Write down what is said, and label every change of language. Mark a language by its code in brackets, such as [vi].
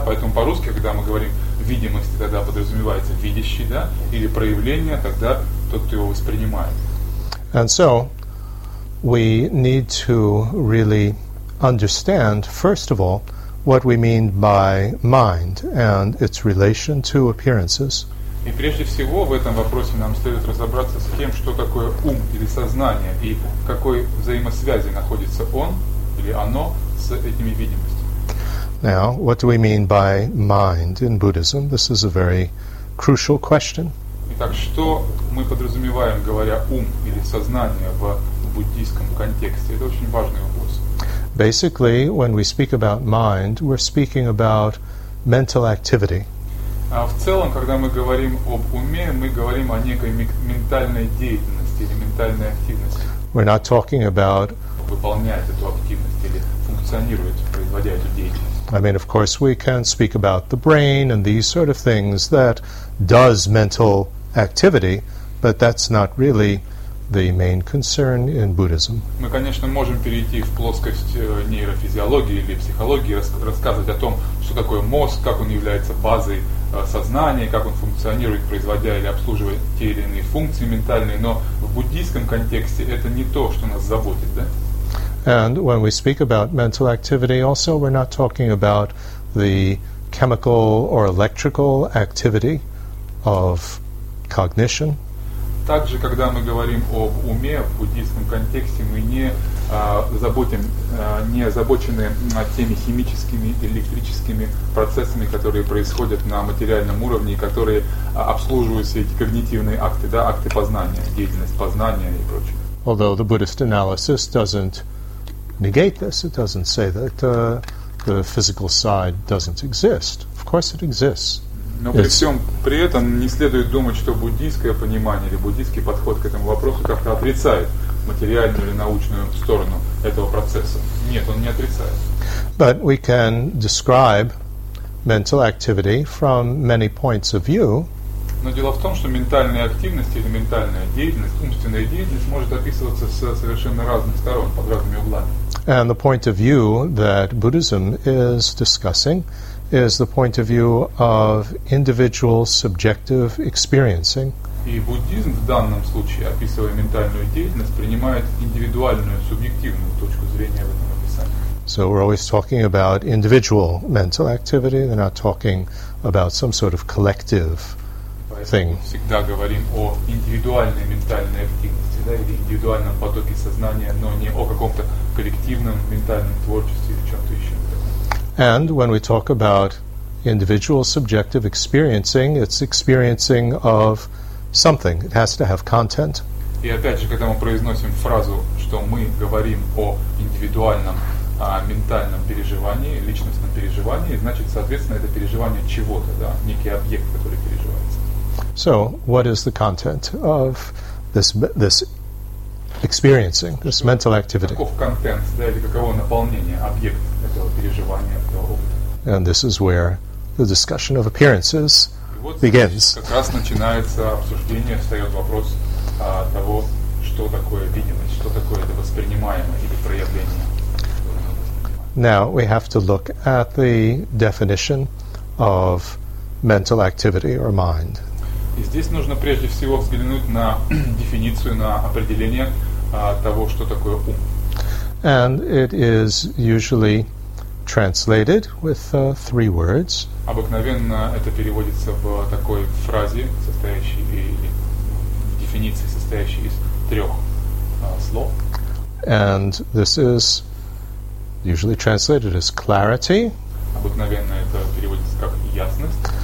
[ru] Поэтому по-русски, когда мы говорим видимости, тогда подразумевается видящий, да? Или проявление, тогда тот, кто его воспринимает. [en] And so, we need to really understand, first of all, what we mean by mind and its relation to appearances. [ru] И прежде всего в этом вопросе нам следует разобраться с тем, что такое ум или сознание, и в какой взаимосвязи находится он или оно с этими видимостями. [en] Now, what do we mean by mind in Buddhism? This is a very crucial question. [ru] Итак, что мы подразумеваем, говоря ум или сознание в буддийском контексте? Это очень важный вопрос. [en] Basically, when we speak about mind, we're speaking about mental activity. [ru] В целом, когда мы говорим об уме, мы говорим о некой ментальной деятельности или ментальной активности. [en] We're not talking about [ru] выполняет эту активность или функционирует, производя эту деятельность. [en] I mean, of course, we can speak about the brain and these sort of things that does mental activity, but that's not really the main concern in Buddhism. [ru] Мы, конечно, можем перейти в плоскость нейрофизиологии или психологии, рассказывать о том, что такое мозг, как он является базой сознания, как он функционирует, производя или обслуживая те или иные функции ментальные, но в буддийском контексте это не то, что нас заботит, да? [en] And when we speak about mental activity, also we're not talking about the chemical or electrical activity of cognition. [ru] Также, когда мы говорим об уме в буддийском контексте, мы не озабочены теми химическими, электрическими процессами, которые происходят на материальном уровне, которые обслуживают все эти когнитивные акты, да, акты познания, деятельность познания и прочее. [en] Although the Buddhist analysis doesn't negate this, it doesn't say that the physical side doesn't exist. Of course it exists. [ru] Но при всем при этом не следует думать, что буддийское понимание или буддийский подход к этому вопросу как-то отрицает материальную или научную сторону этого процесса. Нет, он не отрицает. [en] But we can describe mental activity from many points of view. [ru] Но дело в том, что ментальная активность или ментальная деятельность, умственная деятельность может описываться с совершенно разных сторон, под разными углами. [en] And the point of view that Buddhism is discussing is the point of view of individual subjective experiencing. [ru] И буддизм в данном случае, описывая ментальную деятельность, принимает индивидуальную, субъективную точку зрения в этом описании. [en] So we're always talking about individual mental activity. They're not talking about some sort of collective thing. [ru] Поэтому всегда говорим о индивидуальной ментальной активности, да, или индивидуальном потоке сознания, но не о каком-то коллективном ментальном творчестве или чем-то еще. [en] And when we talk about individual subjective experiencing, it's experiencing of something. It has to have content. [ru] И опять же, когда мы произносим фразу, что мы говорим о индивидуальном ментальном переживании, личностном переживании, значит, соответственно, это переживание чего-то, да, некий объект, который переживается. [en] So, what is the content of this experiencing, this mental activity? [ru] Каков контент, да, или каково наполнение, объект этого переживания, этого опыта? [en] And this is where the discussion of appearances begins. [ru] Как раз начинается обсуждение, встает вопрос того, что такое видимость, что такое это воспринимаемое или проявление. [en] Now we have to look at the definition of mental activity or mind. [ru] И здесь нужно прежде всего взглянуть на дефиницию, на определение того, что такое ум. [en] And it is usually translated with three words. [ru] Обыкновенно это переводится в такой фразе, состоящей или дефиниции, состоящей из трех слов. [en] And this is usually translated as clarity. [ru] Обыкновенно это переводится как ясность.